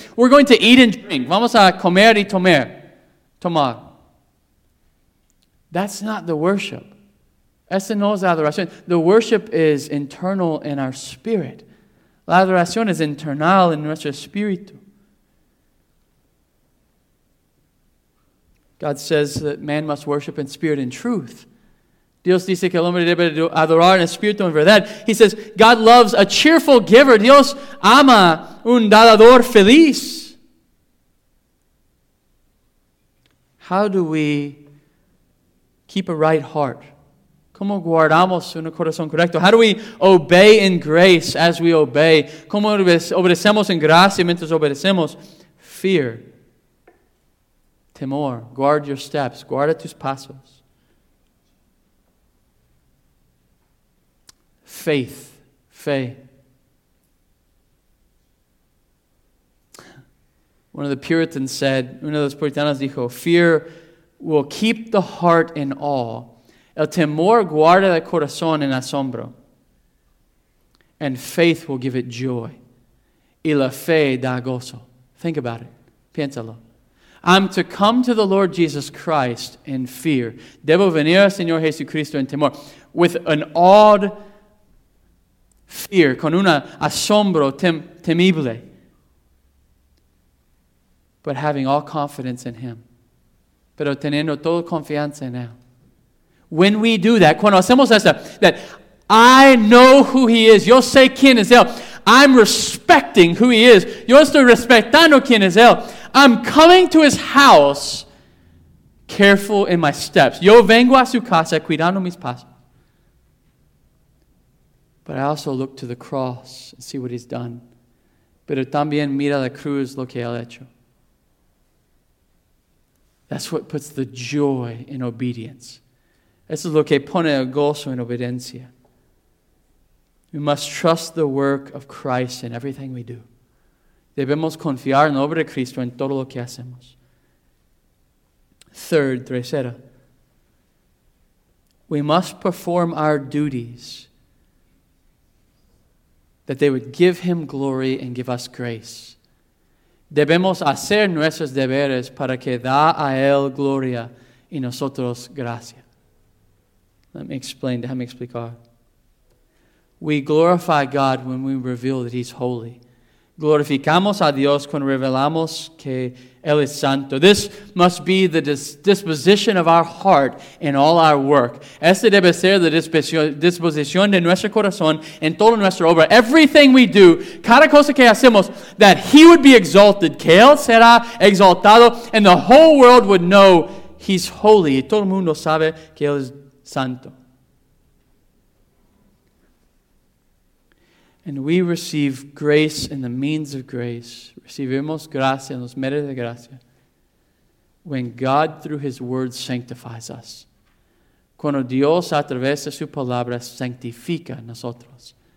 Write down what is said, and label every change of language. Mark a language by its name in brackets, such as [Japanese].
[English] We're going to eat and drink. [Spanish] Vamos a comer y tomar. [English] That's not the worship. [Spanish] Ese no es adoración. [English] The worship is internal in our spirit. [Spanish] La adoración es internal en nuestro espíritu. [English] God says that man must worship in spirit and truth. [Spanish] Dios dice que el hombre debe adorar en espíritu y en verdad. [English] He says God loves a cheerful giver. [Spanish] Dios ama un dador feliz. [English] How do we keep a right heart? [Spanish] ¿Cómo guardamos un corazón correcto? [English] How do we obey in grace as we obey? [Spanish] ¿Cómo obedecemos en gracia mientras obedecemos? [English] Fear. Temor. Guard your steps. [Spanish] Guarda tus pasos. [English] Faith. Fe. One of the Puritans said, [Spanish] uno de los puritanos dijo, [English] fear will keep the heart in awe. [Spanish] El temor guarda el corazón en asombro. [English] And faith will give it joy. [Spanish] Y la fe da gozo. [English] Think about it. [Spanish] Piénsalo. [English] I'm to come to the Lord Jesus Christ in fear. [Spanish] Debo venir al Señor Jesucristo en temor. [English] With an awed fear. [Spanish] Con un asombro temible. [English] But having all confidence in Him. [Spanish] Pero teniendo toda confianza en Él. [English] When we do that, [Spanish] cuando hacemos eso, [English] that I know who He is, [Spanish] yo sé quién es Él, [English] I'm respecting who He is, [Spanish] yo estoy respetando quién es Él, [English] I'm coming to His house, careful in my steps. [Spanish] Yo vengo a su casa cuidando mis pasos. [English] But I also look to the cross and see what He's done. [Spanish] Pero también mira la cruz lo que Él ha hecho. [English] That's what puts the joy in obedience. [Spanish] Eso es lo que pone el gozo en obediencia. [English] We must trust the work of Christ in everything we do. [Spanish] Debemos confiar en la obra de Cristo en todo lo que hacemos. [English] Third, tercera. We must perform our duties that they would give Him glory and give us grace. [Spanish] Debemos hacer nuestros deberes para que da a Él gloria y nosotros gracia. [English] Let me explain. [Spanish] Déjame explicar. [English] We glorify God when we reveal that He's holy. [Spanish] Glorificamos a Dios cuando revelamos que Él es santo. [English] This must be the disposition of our heart in all our work. [Spanish] Este debe ser la disposición de nuestro corazón en toda nuestra obra. [English] Everything we do, [Spanish] cada cosa que hacemos, [English] that He would be exalted, [Spanish] que Él será exaltado, [English] and the whole world would know He's holy. [Spanish] Y todo el mundo sabe que Él es santo. [English] And we receive grace in the means of grace. [Spanish] Recibimos gracia en los medios de gracia. [English] When God, through His Word, sanctifies us. [Spanish] Cuando Dios, a través de su palabra, sanctifica nosotros.